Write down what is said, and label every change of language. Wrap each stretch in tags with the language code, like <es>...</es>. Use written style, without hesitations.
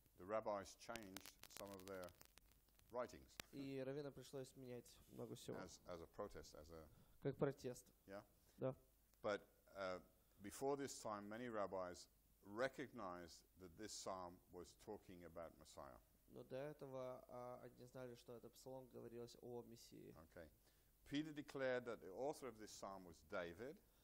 <en>The rabbis changed some of their writings.</en> <ru>И раввинам пришлось менять много всего.</ru> <en>As a protest, as a</en> <ru>как протест.</ru> <en>Yeah.</en> <ru>Да.</ru> <en>But before this time, many rabbis recognized that this psalm was talking about Messiah.</en> <ru>Но до этого они знали, что этот псалом говорилось о Мессии.</ru> <en>Okay. Peter declared that the author of this psalm was David.</en>